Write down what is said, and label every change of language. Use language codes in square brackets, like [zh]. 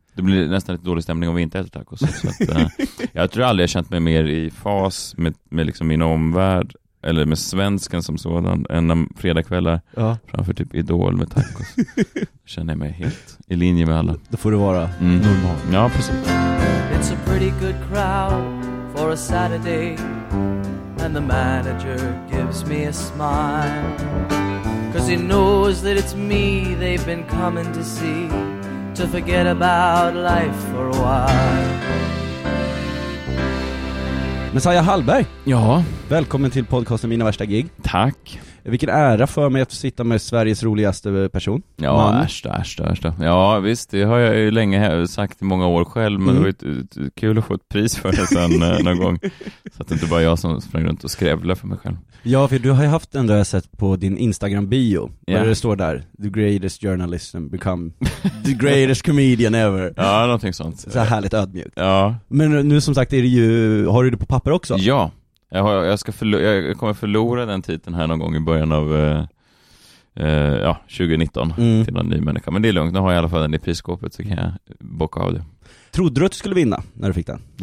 [sv] Det blir nästan lite dålig stämning om vi inte äter tacos. Så att, jag tror aldrig jag känt mig mer i fas med liksom min omvärld. Eller med svenskan som sådan. En fredagkvällar framför typ Idol med tacos. Känner jag mig helt i linje med alla. Då får du vara normal. Ja, precis. [en] It's a pretty good crowd for a Saturday. And the manager gives me a smile. Cause he knows that it's me they've been coming to see. To forget about life for a while. Messiah Hallberg. [sv] Ja. Välkommen till podcasten Mina värsta gig. Tack. Vilken ära för mig att sitta med Sveriges roligaste person. Ja, ärsta. Ja, visst. Det har jag ju länge sagt i många år själv. Men det var ju kul att få ett pris för det sen någon gång. Så att det inte bara jag som sprang runt och skrävla för mig själv. Ja, för du har ju haft en sett på din Instagram-bio. Yeah. Där det står där. [en] The greatest journalist and become the greatest comedian ever. [sv] Ja, någonting sånt. Så härligt ödmjukt. Ja. Men nu som sagt, är det ju, har du det på papper också? Ja. Jag kommer förlora den titeln här någon gång i början av 2019 till någon ny människa. Men det är lugnt, nu har jag i alla fall den i prisskåpet så kan jag bocka av det. Trodde du att du skulle vinna när du fick den?